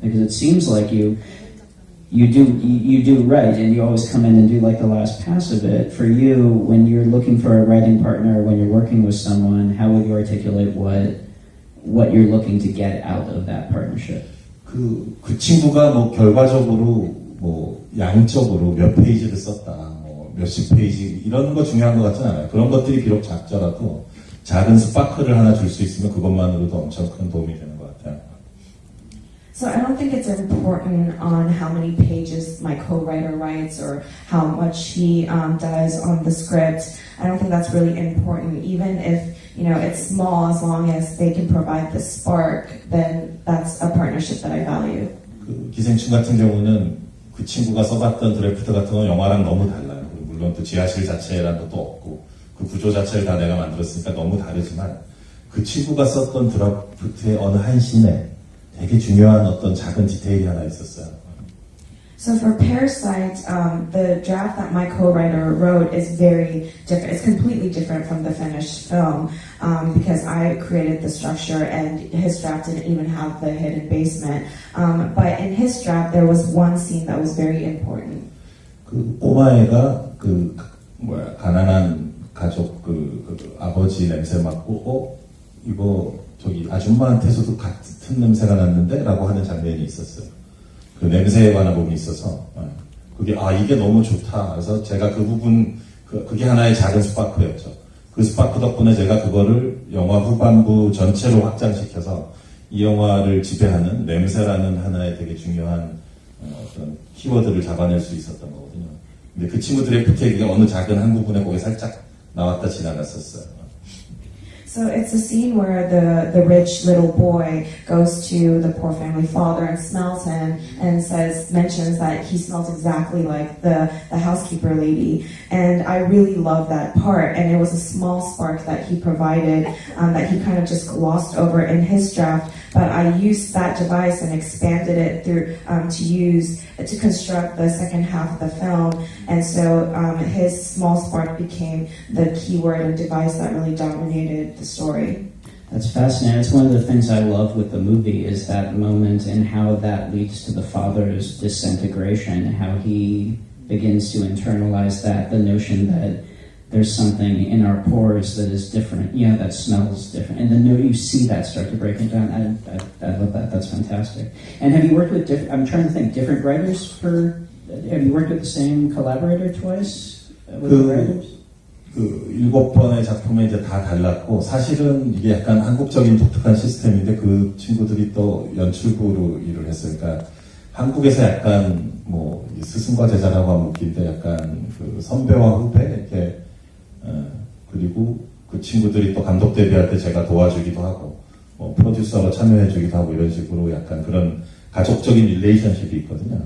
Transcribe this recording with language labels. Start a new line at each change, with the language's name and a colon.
English: Because it seems like you do write and you always come in and do like the last pass of it. For you, when you're looking for a writing partner, when you're working with someone, how would you articulate what you're looking to get out of that partnership?
Korean: 그 친구가 뭐 결과적으로 뭐 양적으로 몇 페이지를 썼다, 뭐 몇십 페이지 이런 거 중요한 것 같지는 않아요. 그런 것들이 비록 작더라도 작은 스파크를 하나 줄 수 있으면 그것만으로도 엄청 큰 도움이 되는 것 같아요.
English: So I don't think it's important on how many pages my co-writer writes or how much he does on the script. I don't think that's really important. Even if, you know, it's small, as long as they can provide the spark, then that's a partnership that I value.
Korean: 그 기생충 같은 경우는 그 친구가 써봤던 드래프트 같은 건 영화랑 너무 달라요. 물론 또 지하실 자체라는 것도 없고 그 구조 자체를 다 내가 만들었으니까 너무 다르지만 그 친구가 썼던 드래프트의 어느 한 신에 되게 중요한 어떤 작은 디테일이 하나 있었어요.
English: So for Parasite, the draft that my co-writer wrote is very different. It's completely different from the finished film because I created the structure and his draft didn't even have the hidden basement. But in his draft, there was one scene that was very important.
Korean: 그 꼬마애가 그 뭐야 가난한 가족 그 아버지 냄새 맡고 이거 저기 아줌마한테서도 같은 냄새가 났는데? 라고 하는 장면이 있었어요. 그 냄새에 관한 부분이 있어서 그게 아 이게 너무 좋다 그래서 제가 그 부분 그게 하나의 작은 스파크였죠. 그 스파크 덕분에 제가 그거를 영화 후반부 전체로 확장시켜서 이 영화를 지배하는 냄새라는 하나의 되게 중요한 어떤 키워드를 잡아낼 수 있었던 거거든요. 근데 그 친구 드래프트에 어느 작은 한 부분에 거기 살짝 나왔다 지나갔었어요.
English: So it's a scene where the rich little boy goes to the poor family father and smells him and mentions that he smells exactly like the housekeeper lady. And I really love that part. And it was a small spark that he provided that he kind of just glossed over in his draft. But I used that device and expanded it to construct the second half of the film. And so his small spark became the keyword and device that really dominated the story. That's fascinating. It's one of the things I love with the movie is that moment and how that leads to the father's disintegration, how he begins to internalize that, the notion that there's something in our pores that is different, you know, that smells different. And then you see that start to break it down. I love that. That's fantastic. And have you worked with different writers for, have you worked with the same collaborator twice with the writers?
Korean: 일곱 번의 작품에 이제 다 달랐고, 사실은 이게 약간 한국적인 독특한 시스템인데, 그 친구들이 또 연출부로 일을 했으니까, 한국에서 약간 뭐, 스승과 제자라고 하면 웃긴데, 약간 그 선배와 후배, 이렇게, 그리고 그 친구들이 또 감독 데뷔할 때 제가 도와주기도 하고, 뭐, 프로듀서로 참여해주기도 하고, 이런 식으로 약간 그런 가족적인 릴레이션십이 있거든요.